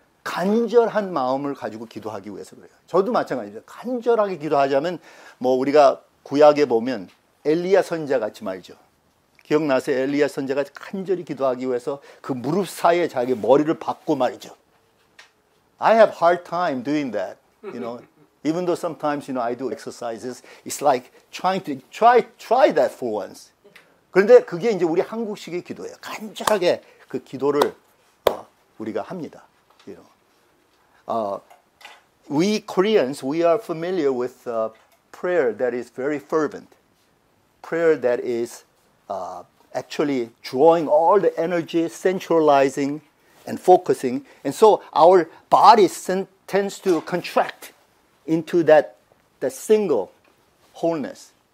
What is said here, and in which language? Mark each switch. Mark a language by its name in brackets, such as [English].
[Korean] 간절한 마음을 가지고 기도하기 위해서 그래요. 저도 마찬가지죠. 간절하게 기도하자면 뭐 우리가 구약에 보면 엘리야 선지자 같이 말이죠. 기억나세요? 엘리야 선지자가 간절히 기도하기 위해서 그 무릎 사이에 자기 머리를 박고 말이죠. [English] I have hard time doing that, you know. Even though sometimes, you know, I do exercises, it's like trying to try that for once. [Korean] 그런데 그게 이제 우리 한국식의 기도예요. 간절하게 그 기도를 우리가 합니다. [English] You know, we Koreans, we are familiar with a prayer that is very fervent. Prayer that is actually drawing all the energy, centralizing and focusing. And so our body tends to contract into that single wholeness.